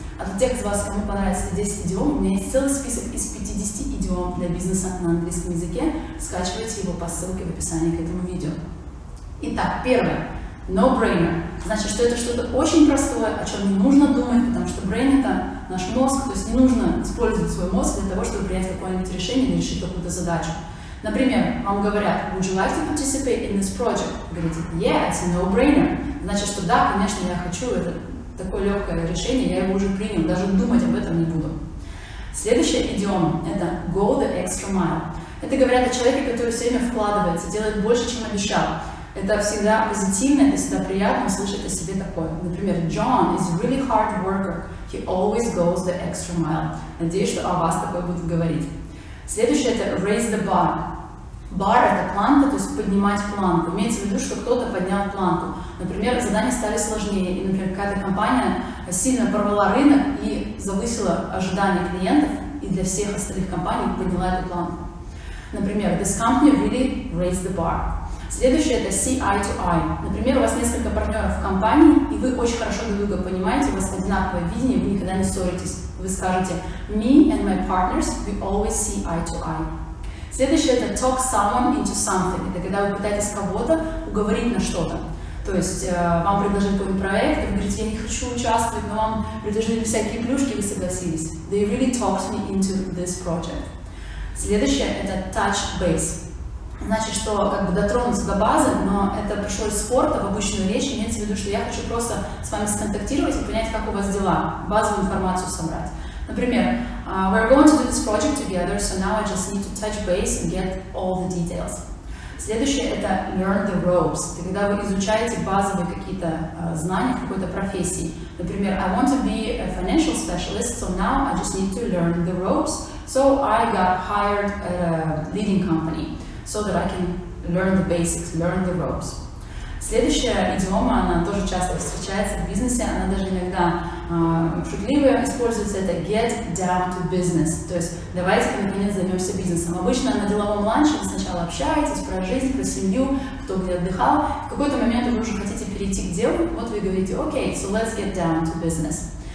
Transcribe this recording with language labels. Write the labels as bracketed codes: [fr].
[ru] А для тех из вас, кому понравится 10 идиом, у меня есть целый список из 50 идиом для бизнеса на английском языке. Скачивайте его по ссылке в описании к этому видео. Итак, первое. No-brainer. Значит, что это что-то очень простое, о чем не нужно думать, потому что brain — это наш мозг, то есть не нужно использовать свой мозг для того, чтобы принять какое-нибудь решение или решить какую-то задачу. Например, вам говорят, [en] would you like to participate in this project? [ru] Вы говорите, [en] yeah, it's a no-brainer. [ru] Значит, что да, конечно, я хочу, это такое легкое решение, я его уже принял, даже думать об этом не буду. Следующая идиома – это go the extra mile. Это говорят о человеке, который все время вкладывается, делает больше, чем обещал. Это всегда позитивно, это всегда приятно услышать о себе такое. Например, [en] John is really hard worker. He always goes the extra mile. [ru] Надеюсь, что о вас такое будут говорить. Следующее – это raise the bar. Bar – это планка, то есть поднимать планку. Имеется в виду, что кто-то поднял планку. Например, задания стали сложнее, и, например, какая-то компания сильно порвала рынок и завысила ожидания клиентов, и для всех остальных компаний подняла эту планку. Например, [en] this company really raised the bar. [ru] Следующее – это [en] see eye to eye. [ru] Например, у вас несколько партнеров в компании, и вы очень хорошо друг друга понимаете, у вас одинаковое видение, вы никогда не ссоритесь. Вы скажете [en] me and my partners, we always see eye to eye. [ru] Следующее – это talk someone into something. Это когда вы пытаетесь кого-то уговорить на что-то. То есть вам предложили какой-то проект, и вы говорите, я не хочу участвовать, но вам предложили всякие плюшки, вы согласились. [en] They really talked me into this project. [ru] Следующее – это touch base. Значит, что как бы дотронуться до базы, но это пришло из спорта в обычную речь, имеется в виду, что я хочу просто с вами сконтактировать и понять, как у вас дела, базовую информацию собрать. Например, [en] we're going to do this project together, so now I just need to touch base and get all the details. [ru] Следующее – это learn the ropes. Это когда вы изучаете базовые какие-то знания какой-то профессии. Например, [en] I want to be a financial specialist, so now I just need to learn the ropes, so I got hired at a leading company. So that I can learn the basics, learn the ropes. [ru] Следующая идиома, она тоже часто встречается в бизнесе, она даже иногда шутливая используется, это get down to business. То есть давайте наконец займемся бизнесом. Обычно на деловом ланче вы сначала общаетесь про жизнь, про семью, кто где отдыхал. В какой-то момент вы уже хотите перейти к делу, вот вы говорите, [en] okay, so let's get down to business.